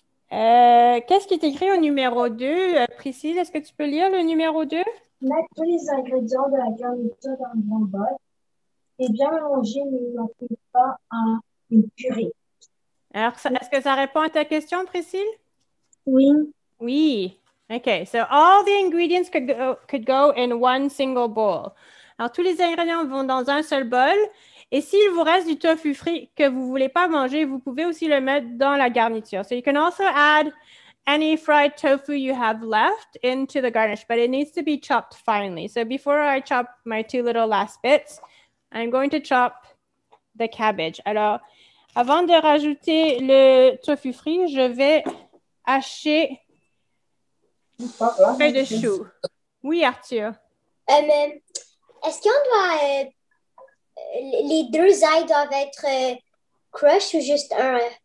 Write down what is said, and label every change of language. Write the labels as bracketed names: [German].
[French] Qu'est-ce qui est écrit au numéro 2, Priscille? Est-ce que tu peux lire le numéro 2? Mettre tous les ingrédients de la garniture dans un grand bol et bien mélanger, mais n'en fait pas une purée. Alors, ça, est-ce que ça répond à ta question, Priscille? Oui. Oui. OK. [English] So, all the ingredients could go in one single bowl. [French] Alors, tous les ingrédients vont dans un seul bol. Et s'il vous reste du tofu frit que vous ne voulez pas manger, vous pouvez aussi le mettre dans la garniture. [English] So, you can also add any fried tofu you have left into the garnish, but it needs to be chopped finely. So before I chop my 2 little last bits, I'm going to chop the cabbage. [French] Alors, avant de rajouter le tofu frit, je vais hacher un peu de chou. Oui, Arthur. Est-ce qu'on doit... les 2 ailes doivent être crushed ou juste un?